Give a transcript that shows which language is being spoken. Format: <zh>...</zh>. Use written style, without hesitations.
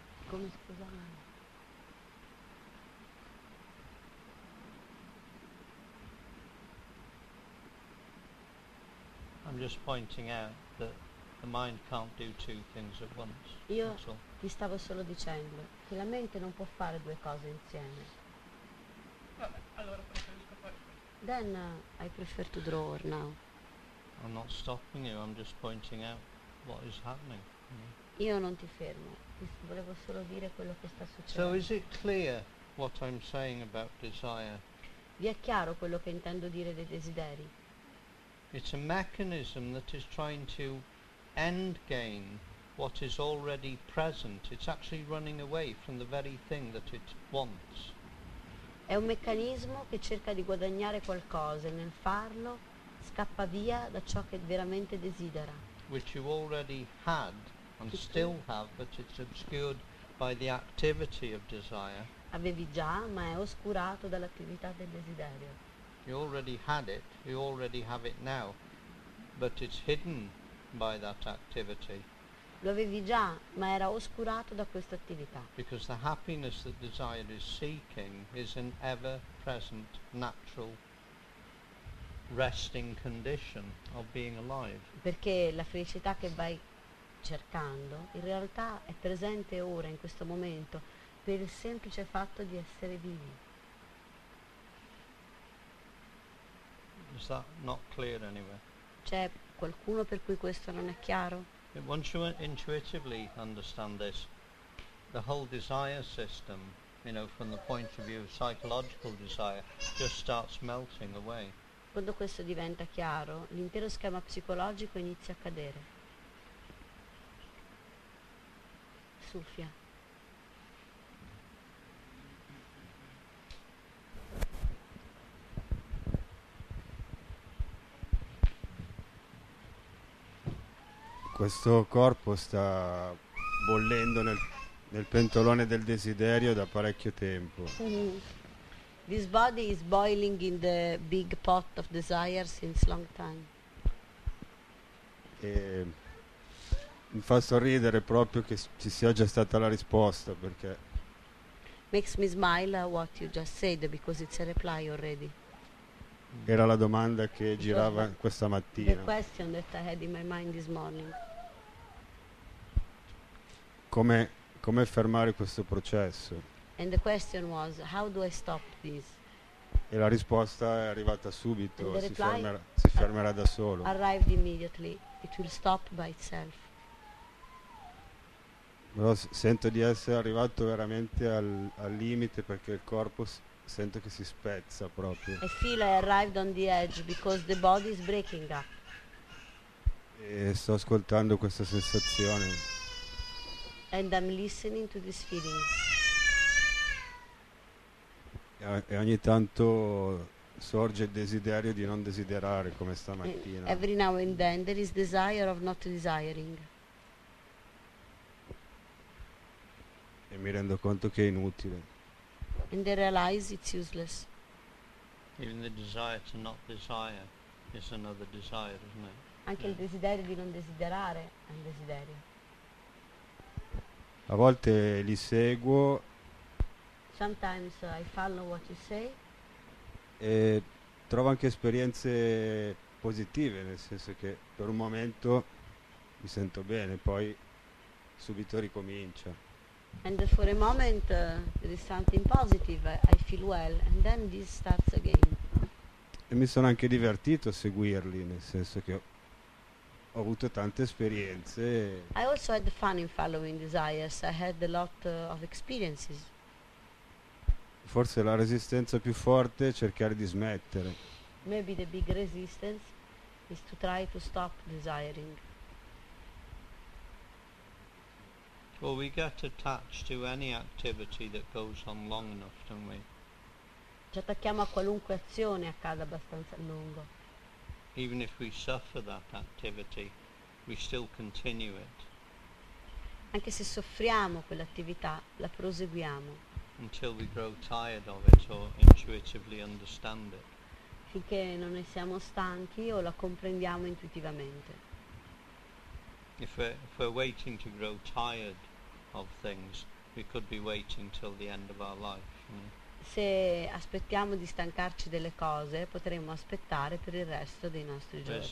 <it>Come scusa?</it> <en>I'm just pointing out that the mind can't do two things at once.</en> <it>Io ti stavo solo dicendo che la mente non può fare due cose insieme. Vabbè, allora preferisco fare questo.</it> <en>Then I prefer to draw or now. I'm not stopping you, I'm just pointing out what is happening.</en> <it>Io non ti fermo, ti volevo solo dire quello che sta succedendo.</it> <en>So is it clear what I'm saying about desire?</en> <it>Vi è chiaro quello che intendo dire dei desideri?</it> <en>It's a mechanism that is trying to end gain what is already present. It's actually running away from the very thing that it wants.</en> <it>È un meccanismo che cerca di guadagnare qualcosa e nel farlo scappa via da ciò che veramente desidera.</it> <en>Which you already had and still have, but it's obscured by the activity of desire.</en> <it>Avevi già, ma è oscurato dall'attività del desiderio.</it> <en>You already had it, you already have it now, but it's hidden by that activity.</en> <it>Lo avevi già, ma era oscurato da questa attività.</it> <en>Because the happiness that desire is seeking is an ever present natural resting condition of being alive.</en> <it>Perché la felicità che vai cercando in realtà è presente ora in questo momento per il semplice fatto di essere vivi.</it> <en>Is that not clear anyway?</en> <it>C'è qualcuno per cui questo non è chiaro? Once you intuitively understand this, the whole desire system, you know, from the point of view of psychological desire, just starts melting away. Quando questo diventa chiaro, l'intero schema psicologico inizia a cadere. Soffia. Questo corpo sta bollendo nel nel pentolone del desiderio da parecchio tempo.</it> <en>This body is boiling in the big pot of desire since long time.</en> <it>E mi fa sorridere proprio che ci sia già stata la risposta, perché</it> <en>makes me smile what you just said because it's a reply already.</en> <it>Era la domanda che girava questa mattina.</it> <en>The question that I had in my mind this morning.</en> <it>Come fermare questo processo?</it> <en>And the question was, how do I stop this?</en> <it>E la risposta è arrivata subito, si fermerà da solo.</it> <en>Arrived immediately, it will stop by itself.</en> <it>Però sento di essere arrivato veramente al limite, perché il corpo sento che si spezza proprio.</it> <en>I feel I arrived on the edge because the body is breaking up.</en> <it>E sto ascoltando questa sensazione.</it> <en>And I'm listening to this feeling.</en> <it>E ogni tanto sorge il desiderio di non desiderare, come stamattina.</it> <en>And every now and then there is desire of not desiring.</en> <it>E mi rendo conto che è inutile.</it> <en>And they realize it's useless. Even the desire to not desire is another desire, isn't it?</en> <it>Anche il desiderio di non desiderare è un desiderio. A volte li seguo.</it> <en>Sometimes I follow what you say.</en> <it>E trovo anche esperienze positive, nel senso che per un momento mi sento bene, poi subito ricomincia.</it> <en>And for a moment there is something positive, I feel well, and then this starts again.</en> <it>E mi sono anche divertito a seguirli, nel senso che ho avuto tante esperienze.</it> <en>I also had fun in following desires, I had a lot of experiences.</en> <it>Forse la resistenza più forte è cercare di smettere.</it> <en>Maybe the big resistance is to try to stop desiring. Well, we get attached to any activity that goes on long enough, don't we?</en> <it>Ci attacchiamo a qualunque azione accada abbastanza lungo.</it> <en>Even if we suffer that activity, we still continue it.</en> <it>Anche se soffriamo quell'attività, la proseguiamo.</it> <en>Until we grow tired of it or intuitively understand it.</en> <it>Finché non ne siamo stanchi o la comprendiamo intuitivamente.</it> <en>If we're waiting to grow tired of things, we could be waiting till the end of our life.</en> <it>Se aspettiamo di stancarci delle cose, potremmo aspettare per il resto dei nostri giorni.</it>